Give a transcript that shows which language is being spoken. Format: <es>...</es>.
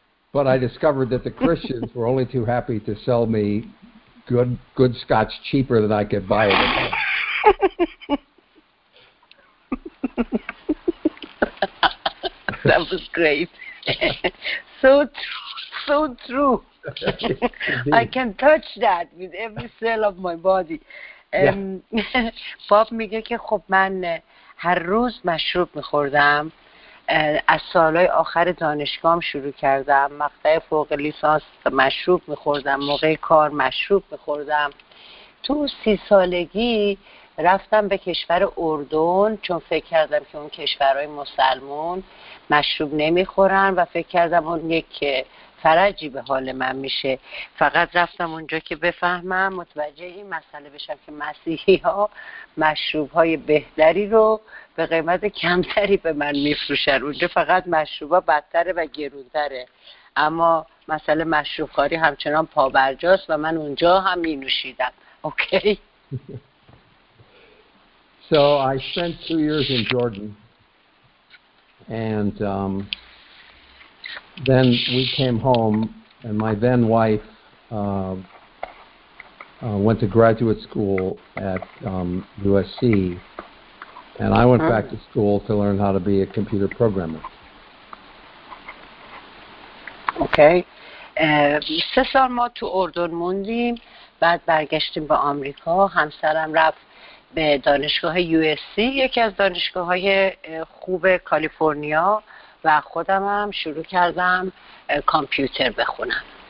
<en>But I discovered that the Christians were only too happy to sell me good scotch cheaper than I could buy it. That was great. So true. I can touch that with every cell of my body. Yeah.</en> <fa>Bob میگه که خب من هر روز مشروب میخوردم. از سالهای آخر دانشگاهم شروع کردم، مقطع فوق لیسانس مشروب میخوردم، موقع کار مشروب میخوردم. تو 30 سالگی رفتم به کشور اردن چون فکر کردم که اون کشورهای مسلمان مشروب نمیخورن و فکر کردم اون یک فرجی به حال من میشه. فقط رفتم اونجا که بفهمم، متوجه این مسئله بشم که مسیحی ها مشروب های بهتری رو به قیمت کمتری به من میفروشن. اونجا فقط مشروب ها بدتره و گرونتره. اما مسئله مشروب خواری همچنان پا برجاست و من اونجا هم می نوشیدم.</fa> <en>Okay. So I spent 2 years in Jordan, and then we came home, and my then wife went to graduate school at USC, and I went back to school to learn how to be a computer programmer. Okay.</en> <fa>3 سال ما تو اردن موندیم، بعد برگشتیم به آمریکا. همسرم رفت به دانشگاه USC، یکی از دانشگاه‌های خوب کالیفرنیا، و خودم هم شروع کردم کامپیوتر بخونم.</fa>